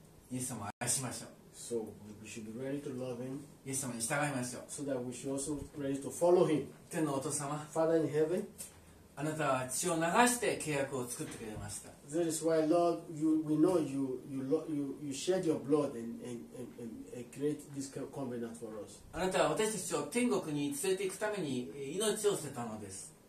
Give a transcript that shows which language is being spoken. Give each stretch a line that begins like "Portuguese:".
Japanese: イエス様を愛しましょう。
English: So we should be ready to love Him.
Japanese: イエス様に従いましょう。
English: So that we should also be ready to follow Him.
Japanese: 天のお父様。
English: Father in heaven.
Japanese: あなたは血を流して契約を作ってくれました。
English: That is why, Lord, we know you shed your blood and create this covenant for us.
Japanese: あなたは私たちを天国に連れて行くために命を捨てたのです。